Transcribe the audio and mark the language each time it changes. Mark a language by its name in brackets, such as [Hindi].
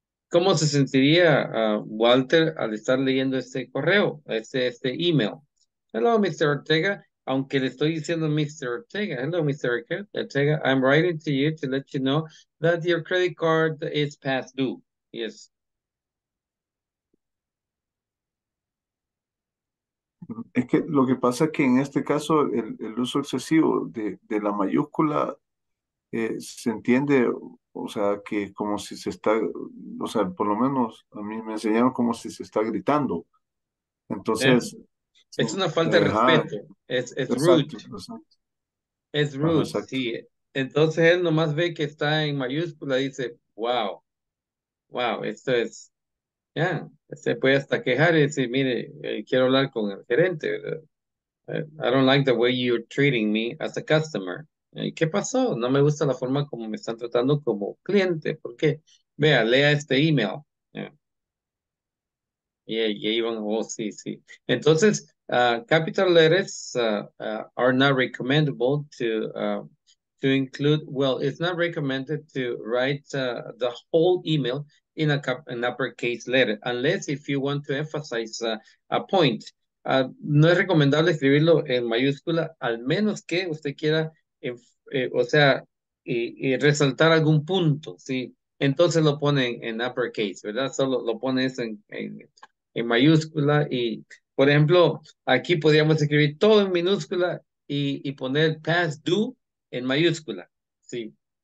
[Spanish] ¿Cómo se sentiría Walter al estar leyendo este correo, este email? [English] Hello, Mr. Ortega. [Spanish] Aunque le estoy diciendo Mr. Ortega. Hello, Mr. Ortega. [English] I'm writing to you to let you know that your credit card is past due. Yes. [Spanish] Es que lo que pasa es que en este caso el uso excesivo de la mayúscula se entiende, o sea, que como si se está, o sea, por lo menos a mí me enseñaron como si se está gritando. Entonces, es una falta de respeto. Es rude. Es rude. Ajá, sí. Entonces él nomás ve que está en mayúscula y dice, wow, wow, esto es. Ya, yeah. Se puede hasta quejar y decir, mire, quiero hablar con el gerente. [English] I don't like the way you're treating me as a customer. [Spanish] ¿Qué pasó? No me gusta la forma como me están tratando como cliente. ¿Por qué? Vea, lea este email. Yeah. Y ahí van, oh, sí. [English] Entonces, capital letters are not recommendable to include, well, it's not recommended to write the whole email in an uppercase letter, unless if you want to emphasize a point. [Spanish] No es recomendable escribirlo en mayúscula, al menos que usted quiera, o sea, y resaltar algún punto, ¿sí? Entonces lo pone en uppercase, ¿verdad? Solo lo pone eso en mayúscula y, por ejemplo, aquí podríamos escribir todo en minúscula y poner past due en mayúscula, ¿sí?